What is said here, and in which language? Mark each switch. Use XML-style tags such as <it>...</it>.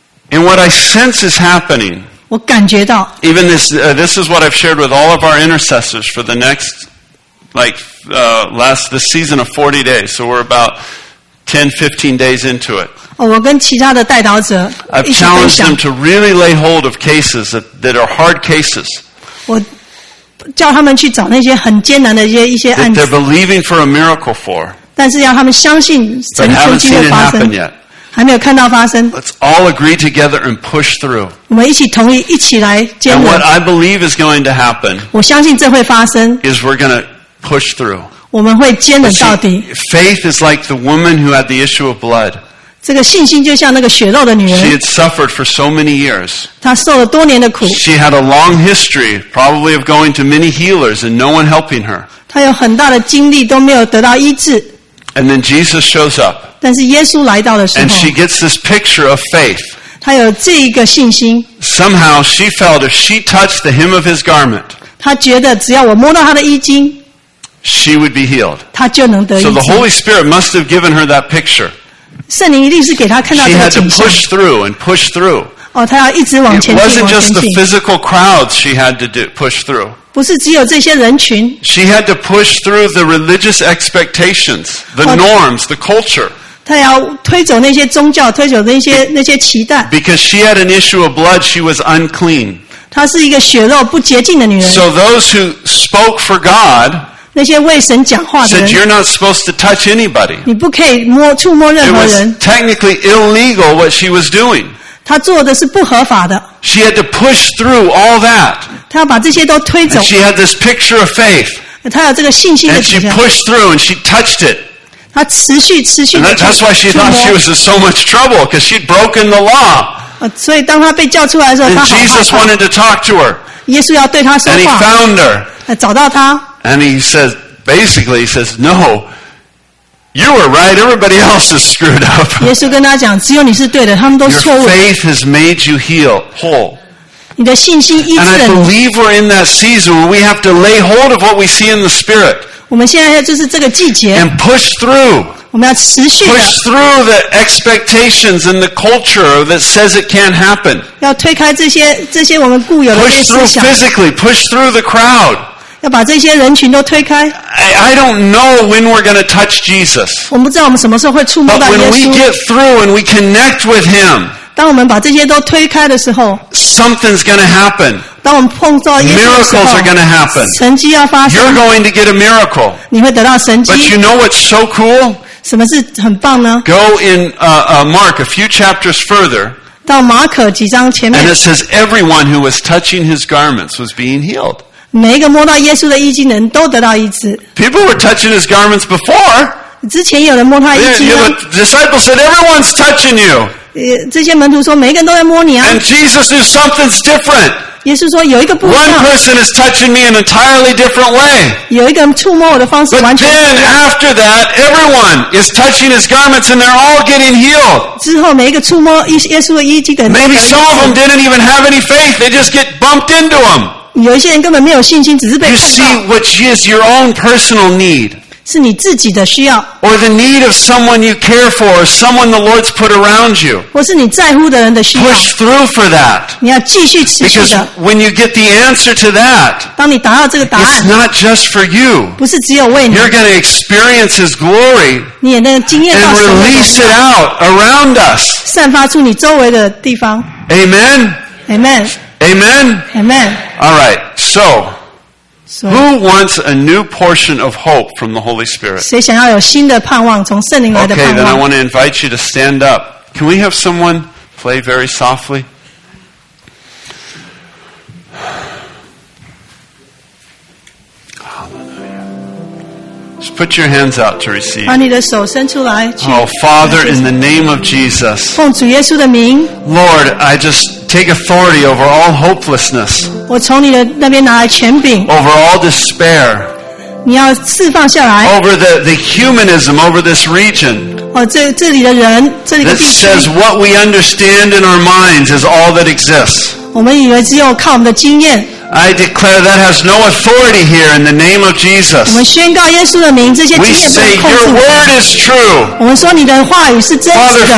<en>And what I sense is happening, even this is what I've shared with all of our intercessors for the next, this season of 40 days. So we're about 10-15 days into it.</en> <zh>我跟其他的代祷者一起分享。</zh> <en>I've challenged them to really lay hold of cases that are hard cases.</en> <zh>我叫他们去找那些很艰难的一些案子。</zh> <en>That they're believing for a miracle for.</en> <zh>但是要他们相信神奇迹的发生。还没有看到发生。</zh> <en>Let's all agree together and push through.</en> <zh>我们一起同意，一起来坚持。</zh> <en>And what I believe is going to happen.</en> <zh>我相信这会发生。</zh> <en>Is we're going to push through.</en> <zh>我们会坚持到底。</zh> <en>Faith is like the woman who had the issue of blood.</en> <zh>这个信心就像那个血肉的女人。</zh> <en>She had suffered for so many years.</en> <zh>她受了多年的苦。</zh> <en>She had a long history, probably of going to many healers and no one helping her.</en> <zh>她有很大的经历都没有得到医治。</zh> <en>And then Jesus shows up.</en> <zh>但是耶稣来到的时候。</zh> <en>And she gets this picture of faith.</en> <zh>她有这一个信心。</zh> <en>Somehow she felt if she touched the hem of his garment.</en> <zh>她觉得只要我摸到他的衣襟。</zh> <en>She would be healed.</en> <zh>她就能得医治。</zh> <en>So the Holy Spirit must have given her that picture.</en> <zh>圣灵一定是给她看到这个景象。</zh> <en>She had to push through and push through.</en> <zh>哦，她要一直往前进。</zh> <en>It wasn't just the physical crowds she had to do, push through.</en> <zh>不是只有这些人群。</zh> <en>She had to push through the religious expectations, the norms, the culture.</en> <zh>她要推走那些宗教，推走那些期待。</zh> <en>Because she had an issue of blood, she was unclean.</en> <zh>她是一个血肉不洁净的女人。</zh> <en>So those who spoke for God,</en> <zh>那些为神讲话的人</zh> <en>said you're not supposed to touch anybody.</en> <zh>你不可以触摸任何人。</zh> <en>It was technically illegal what she was doing.</en> <zh>她做的是不合法的。</zh> <en>She had to push through all that.</en> <zh>她要把这些都推走。</zh> <en>And she had this picture of faith.</en> <zh>她有这个信心的。</zh> <en>And she pushed through and she touched it.</en> <zh>她持续的。</zh> <en>And that's why she thought she was in so much trouble, because she'd broken the law.</en> <zh>所以当她被叫出来的时候，她好怕。</zh> <en>And Jesus wanted to talk to her.</en> <zh>耶稣要对她说话。</zh> <en>And he found her.</en> <zh>找到她。</zh> <en>And he says, basically, he says, no. You were right. Everybody else is screwed up.</en> <zh>耶稣跟他讲，只有你是对的，他们都错误。</zh> <en>Your faith has made you heal, whole.</en> <zh>你的信心医治了你。</zh> <en>And I believe we're in that season where we have to lay hold of what we see in the spirit.</en> <zh>我们现在就是这个季节。</zh> <en>And push through.</en> <zh>我们要持续的。</zh> <en>Push through the expectations and the culture that says it can't happen.</en> <zh>要推开这些我们固有的这些思想。</zh> <en>Push through physically. Push through the crowd.</en> <zh>要把这些人群都推开。</zh> <en>I don't know when we're going to touch Jesus.</en> <zh>我们不知道我们什么时候会触摸到耶稣。</zh> <en>But when we get through and we connect with Him,</en> <zh>当我们把这些都推开的时候</zh> <en>，something's going to happen.</en> <zh>当我们碰到耶稣的时候</zh> <en>，miracles are going to happen.</en> <zh>神迹要发生。</zh> <en>You're going to get a miracle.</en> <zh>你会得到神迹。</zh> <en>But you know what's so cool?</en> <zh>什么是很棒呢</zh> <en>？Go in Mark a few chapters further.</en> <zh>到马可几章前面。</zh> <en>And it says everyone who was touching His garments was being healed.</en> <zh>每一个摸到耶稣的衣襟的人都得到医治。</zh> <en>People were touching his garments before.</en> <zh>之前有人摸他衣襟吗？</zh> <en>The disciples said, "Everyone's touching you."</en> <zh>这些门徒说，每一个人都在摸你啊。</zh> <en>And Jesus knew something's different.</en> <zh>耶稣说，有一个不一样。</zh> <en>One person is touching me in an entirely different way.</en> <zh>有一个人触摸我的方式完全不一样。</zh> <en>But then after that, everyone is touching his garments, and they're all getting healed.</en> <zh>之后每一个触摸耶稣的衣襟的人都得到医治。</zh> <en>Maybe some of them didn't even have any faith; they just get bumped into him.</en> <zh>有一些人根本没有信心，只是被碰到。</zh> <en>You see, which is your own personal need.</en> <zh>是你自己的需要。</zh> <en>Or the need of someone you care for, or someone the Lord's put around you.</en> <zh>或是你在乎的人的需要。</zh> <en>Push through for that.</en> <zh>你要继续持续的。</zh> <en>Because when you get the answer to that,</en> <zh>当你达到这个答案</zh> <en>it's not just for you.</en> <zh>不是只有为你。</zh> <en>You're going to experience His glory.</en> <zh>你也能经验到神的荣耀。</zh> <en>And release it out around us.</en> <zh>散发出你周围的地方。</zh> <en>Amen. Amen. Amen? Amen. All right. So, who wants a new portion of hope from the Holy Spirit?</en> <zh>谁想要有新的盼望，从圣灵来的盼望。</zh> <en>Okay, then I want to invite you to stand up. Can we have someone play very softly? Hallelujah. Just put your hands out to receive.</en> <zh>把你的手伸出来。</zh> <en>Oh, Father, in the name of Jesus.</en> <zh>奉主耶稣的名。</zh> <en>Lord, I just... Take authority over all hopelessness.</en> <zh>我从你的那边拿来权柄。</zh> <en>Over all despair.</en> <zh>你要释放下来。</zh> <en>Over the humanism over this region.</en> <zh>哦，这里的人，这里的地区。</zh> <en>That says what we understand in our minds is all that exists.</en> <zh>我们以为只有靠我们的经验。</zh> <en>I declare that has no authority here in the name of Jesus.</en> <zh>我们宣告耶稣的名，这些经验不能控制。</zh> <en>We say your word is true.</en> <zh>我们说你的话语是真实的。</zh>